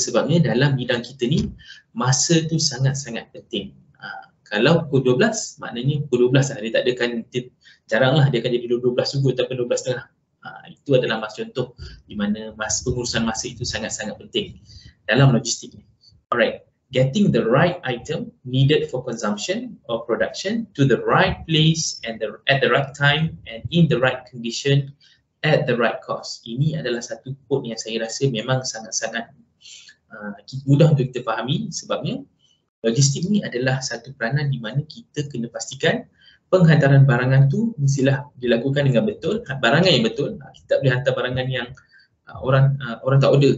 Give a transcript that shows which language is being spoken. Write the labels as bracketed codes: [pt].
[ms] Sebabnya dalam bidang kita ni, masa tu sangat-sangat penting. Kalau pukul 12, maknanya pukul 12 lah. Dia tak adakan, jaranglah dia akan jadi 12 subuh ataupun 12 tengah. Itu adalah masa contoh di mana pengurusan masa itu sangat-sangat penting dalam logistik. [en] Alright, getting the right item needed for consumption or production to the right place and at the right time and in the right condition at the right cost. [ms] Ini adalah satu quote yang saya rasa memang sangat-sangat mudah untuk kita fahami. Sebabnya logistik ni adalah satu peranan di mana kita kena pastikan penghantaran barangan tu mestilah dilakukan dengan betul, barangan yang betul. Kita tak boleh hantar barangan yang orang tak order.